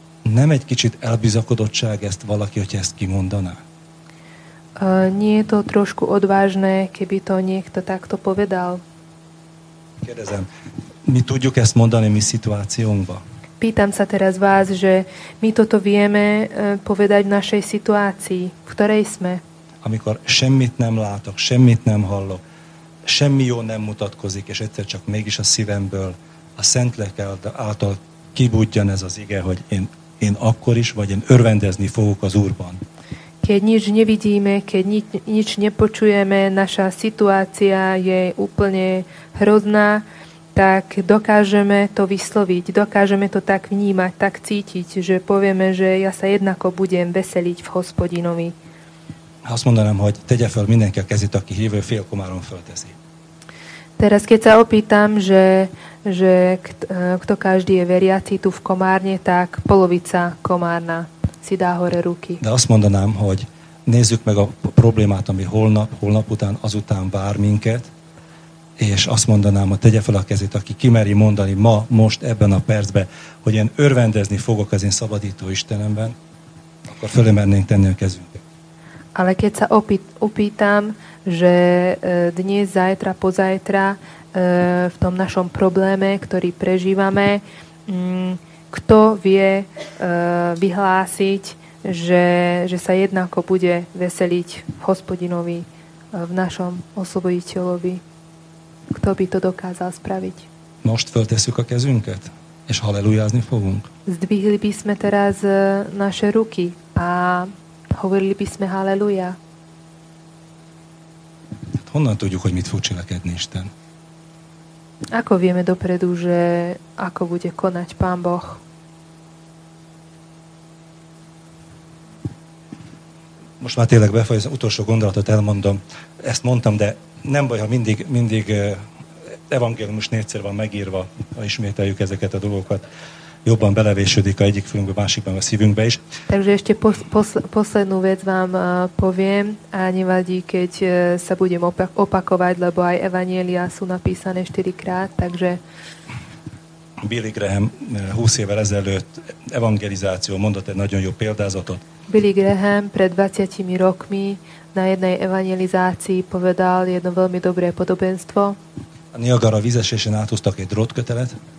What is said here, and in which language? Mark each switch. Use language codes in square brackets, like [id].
[hu] Nem egy kicsit elbizakodottság ezt valaki, hogy ezt kimondaná? [sk] Nie je to trošku odvážne, keby to niekto takto povedal. [hu] Kérdezem, mi tudjuk ezt mondani mi situációnkba? [sk] Pýtam sa teraz vás, že my toto vieme povedať v našej situácii, v ktorej sme. [hu] Amikor semmit nem látok, semmit nem hallok, semmi jó nem mutatkozik, és egyszer csak mégis a szívemből a szent lelke által kibudjan ez az ige, hogy én akkor is, vagy én örvendezni fogok az Úrban. [sk] Keď nič nevidíme, keď nič nepočujeme, naša situácia je úplne hrozná, tak dokážeme to vysloviť, dokážeme to tak vnímať, tak cítiť, že povieme, že ja sa jednako budem veseliť v Hospodinovi. [hu] Azt mondanám, hogy tegye fel mindenki a kezét, aki hívő, félkomáron fölteszi. [sk] Teraz, keď sa opýtam, že kto každý je veriaci tu v Komárne, tak polovica Komárna si dá hore ruky. [hu] De azt mondanám, hogy nézzük meg a problémát, ami holnap után, azután vár minket, és azt mondanám, hogy tegye fel a kezét, aki kimeri mondani ma, most, ebben a percben, hogy én örvendezni fogok az én szabadító Istenemben, akkor fölemernénk tenni a kezünket. [sk] Ale keď sa opýtam, že dnes, zajtra, pozajtra v tom našom probléme, ktorý prežívame, kto vie vyhlásiť, že sa jednako bude veseliť Hospodinovi v našom osloboditeľovi? Kto by to dokázal spraviť? [hu] Most feltesszük a kezünket, és halleluja-zni fogunk. [sk] Zdvihli by sme teraz naše ruky a hovorili by sme halleluja. [hu] Hát honnan tudjuk, hogy mit fog cselekedni Isten? [sk] Ako vieme dopredu, že ako bude konať Pán Boh? [hu] Most már tényleg befejezem, az utolsó gondolatot elmondom. Ezt mondtam, de nem baj, ha mindig evangélium is négyszer van megírva, ha ismételjük ezeket a dolgokat. jobban belevésődik a egyik fülünkbe, a másikban a szívünkbe is. [sk] Takže ešte poslednú vec vám poviem a nevadí, keď sa budem opakovať, lebo aj evanjeliá sú napísané 4 krát, takže [hu] Billy Graham 20 évvel ezelőtt evangelizáció mondott egy nagyon jó példázatot. [sk] Billy Graham pred 20 rokmi na jednej evangelizácii povedal jedno veľmi dobré podobenstvo. [hu] A Niagara vízesésen áthúztak egy drótkötelet.